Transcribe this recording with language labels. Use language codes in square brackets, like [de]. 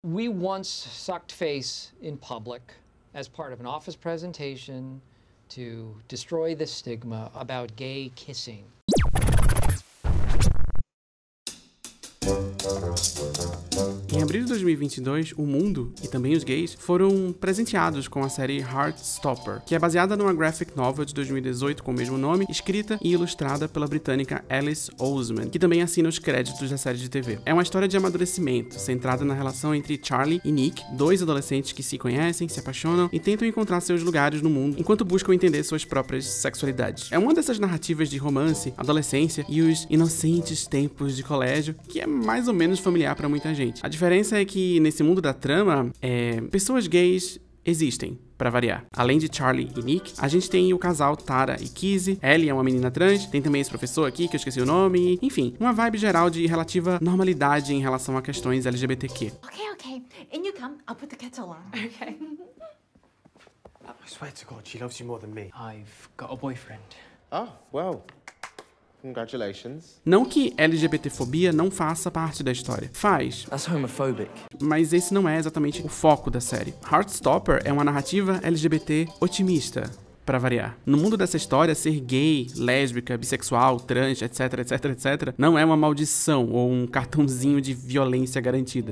[en] We once sucked face in public as part of an office presentation to destroy the stigma about gay kissing. [pt] Em abril de 2022, o mundo, e também os gays, foram presenteados com a série Heartstopper, que é baseada numa graphic novel de 2018 com o mesmo nome, escrita e ilustrada pela britânica Alice Oseman, que também assina os créditos da série de TV. É uma história de amadurecimento, centrada na relação entre Charlie e Nick, dois adolescentes que se conhecem, se apaixonam e tentam encontrar seus lugares no mundo, enquanto buscam entender suas próprias sexualidades. É uma dessas narrativas de romance, adolescência e os inocentes tempos de colégio, que é mais ou menos familiar para muita gente. A diferença é que, nesse mundo da trama, pessoas gays existem, pra variar. Além de Charlie e Nick, a gente tem o casal Tara e Kizzy, Ellie é uma menina trans, tem também esse professor aqui, que eu esqueci o nome, enfim, uma vibe geral de relativa normalidade em relação a questões LGBTQ. [en] Ok, ok. In you come, I'll put the kettle on. Ok. I swear to God, she loves you more than me. I've got a boyfriend. Oh, well. Congratulations. [pt] Não que LGBTfobia não faça parte da história. Faz. [en] That's homophobic. [pt] Mas esse não é exatamente o foco da série. Heartstopper é uma narrativa LGBT otimista. Pra variar. No mundo dessa história, ser gay, lésbica, bissexual, trans, etc, etc, etc, não é uma maldição ou um cartãozinho de violência garantida.